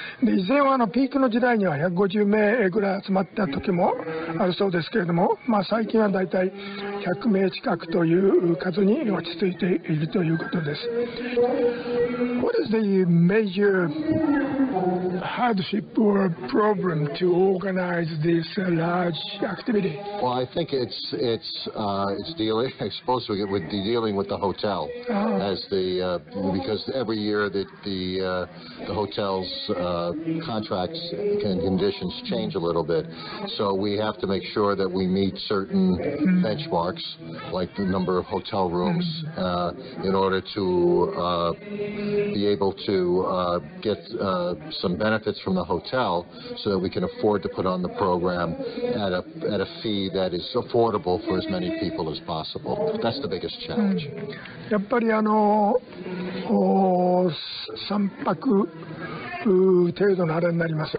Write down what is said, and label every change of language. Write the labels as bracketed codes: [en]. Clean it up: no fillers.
[ja] で、以前はピークの時代には150名ぐらい集まった時もあるそうですけれども、まあ、最近はだいたい100名近くという数に落ち着いているということです。 [en] What is the major hardship or problem to organize this large activity? Well, I think it's dealing with the hotel as the because every year that the hotel's contracts and conditions change a little bit, so we have to make sure that we meet certain benchmarks like the number of hotel rooms in order to be able to get some benefits from the hotel so that we can afford to put on the program at a fee that is affordable for as many people as possible. That's the biggest challenge. [ja] やっぱり三泊程度のあれになります。